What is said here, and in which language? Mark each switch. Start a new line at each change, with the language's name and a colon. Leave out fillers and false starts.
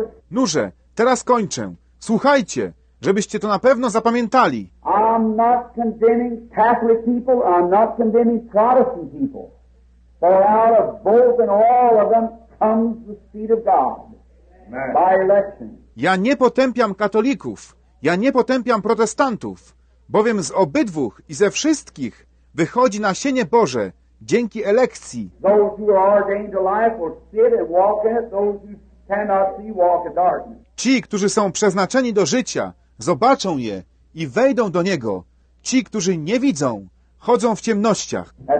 Polish: Noże, teraz kończę. Słuchajcie, żebyście to na pewno zapamiętali.
English: I'm not condemning Catholic people, I'm not condemning Protestant people. For out of both and all of them comes the seed of God. By election.
Polish: Ja nie potępiam katolików, ja nie potępiam protestantów, bowiem z obydwóch i ze wszystkich wychodzi nasienie Boże dzięki elekcji.
English: Those who are ordained to life will sit and walk in it, those who cannot see walk in darkness.
Polish: Ci, którzy są przeznaczeni do życia, zobaczą je i wejdą do niego. Ci, którzy nie widzą, chodzą w ciemnościach.